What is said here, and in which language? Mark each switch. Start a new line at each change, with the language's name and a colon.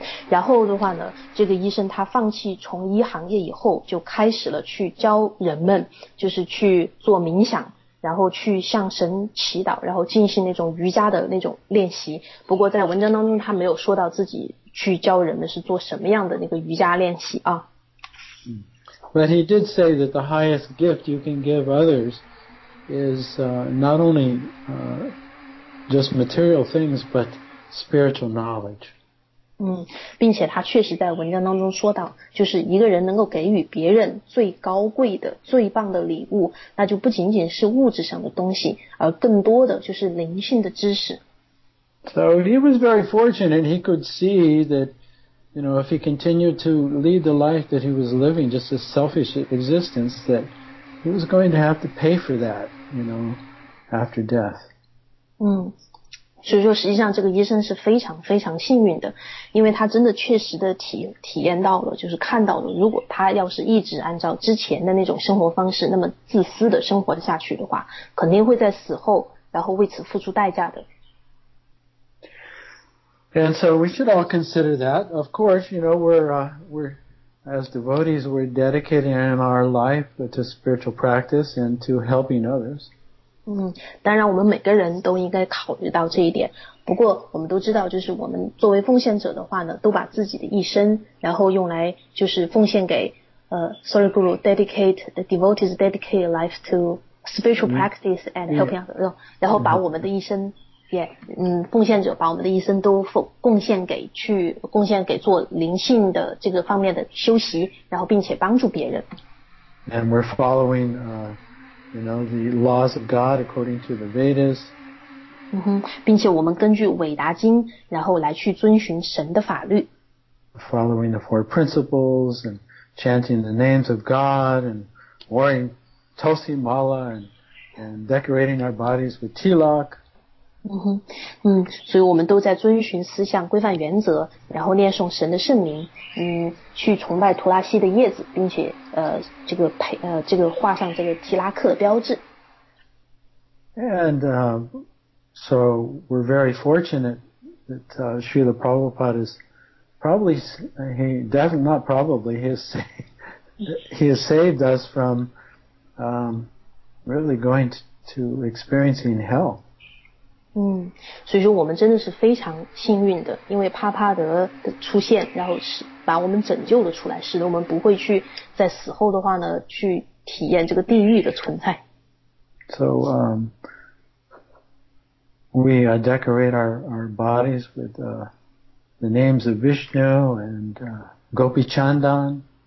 Chinese: 然后的话呢，这个医生他放弃从医行业以后，就开始了去教人们，就是去做冥想，然后去向神祈祷，然后进行那种瑜伽的那种练习。不过在文章当中，他没有说到自己去教人们是做什么样的那个瑜伽练习啊。
English: But he did say that the highest gift you can give others. Is not only just material things, but spiritual knowledge.
Chinese: 并且他确实在文章当中说到，就是一个人能够给予别人最高贵的最棒的礼物，那就不仅仅是物质上的东西，而更多的就是灵性的知识。
English: So he was very fortunate. He could see that, you know, if he continued to lead the life that he was living, just a selfish existence, that he was going to have to pay for that, you know, after death.
Chinese: 所以说实际上这个医生是非常非常幸运的，因为他真的确实的体验到了，就是看到了，如果他要是一直按照之前的那种生活方式，那么自私的生活下去的话，肯定会在死后然后为此付出代价的。
English: And so we should all consider that. Of course, you know, we're as devotees, we're dedicating our life to spiritual practice and to helping others.
Chinese: 当然我们每个人都应该考虑到这一点，不过我们都知道，就是我们作为奉献者的话呢，都把自己的一生然后用来就是奉献给Guru,
English: dedicate, the devotees dedicate life to spiritual practice and helping others.
Chinese: 然后把我们的一生奉献者把我们的一生都贡献给做灵性的这个方面的修习，然后并且帮助别人。
English: And we're following, you know, the laws of God according to the Vedas.
Chinese: 并且我们根据韦达经然后来去遵循神的法律。
English: Following the four principles and chanting the names of God and wearing Tulsi Mala and decorating our bodies with Tilak.
Chinese: 所以我们都在遵循思想规范原则，然后念诵神的圣名，去崇拜图拉西的叶子，并且这个画上这个提拉克标志。
English: And so we're very fortunate that Srila Prabhupada is probably he definitely not probably he has saved us from really going to experiencing hell.
Chinese: 所以说我们真的是非常幸运的，因为帕帕德的出现然后是把我们拯救了出来，使得我们不会去在死后的话呢去体验这个地狱的存在。
English: So we decorate our bodies with the names of Vishnu and Gopi Chandan.